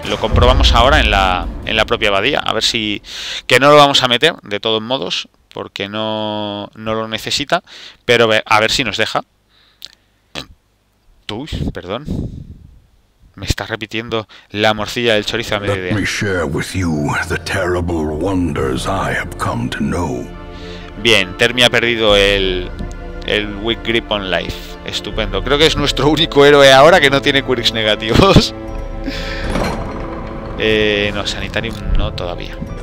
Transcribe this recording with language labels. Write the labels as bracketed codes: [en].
[es] Lo comprobamos ahora en la propia abadía, a ver si... Que no lo vamos a meter, de todos modos, porque no lo necesita, pero a ver si nos deja. Uy, perdón. Me está repitiendo la morcilla del chorizo a mediodía. [en] Let me share with you the terrible wonders I have come to know. [es] Bien, Termi ha perdido el Weak Grip on Life. Estupendo. Creo que es nuestro único héroe ahora que no tiene quirks negativos. No, Sanitarium no todavía.